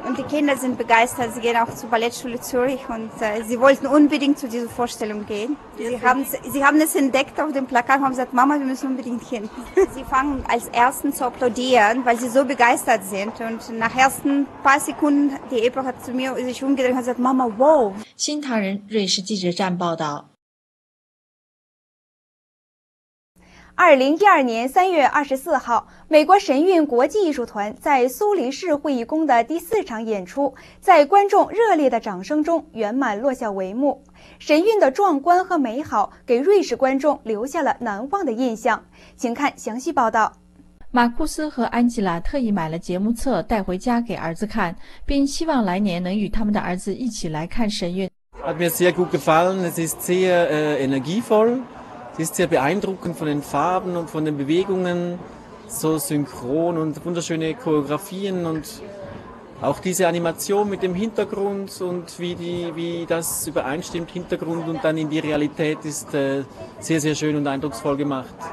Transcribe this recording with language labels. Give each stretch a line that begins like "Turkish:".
German: Und die Kinder sind begeistert, sie gehen auch zur Ballettschule Zürich und sie wollten unbedingt zu dieser Vorstellung gehen. Sie haben es entdeckt auf dem Plakat und haben gesagt, Mama, wir müssen unbedingt hin. Sie fangen als Ersten zu applaudieren, weil sie so begeistert sind. Und nach ersten paar Sekunden, die Ehepaar hat zu mir sich umgedreht und gesagt, Mama, wow!
Chinese: 新唐人瑞士记者站报道。 2012年3月24号，美国神韵国际艺术团在苏黎世会议宫的第四场演出，在观众热烈的掌声中圆满落下帷幕。神韵的壮观和美好给瑞士观众留下了难忘的印象。请看详细报道。马库斯和安吉拉特意买了节目册带回家给儿子看，并希望来年能与他们的儿子一起来看神韵。
German: Hat mir sehr gut gefallen. Es ist sehr energievoll. Sie ist sehr beeindruckend von den Farben und von den Bewegungen, so synchron und wunderschöne Choreografien und auch diese Animation mit dem Hintergrund und wie das übereinstimmt, Hintergrund und dann in die Realität ist sehr, sehr schön und eindrucksvoll gemacht.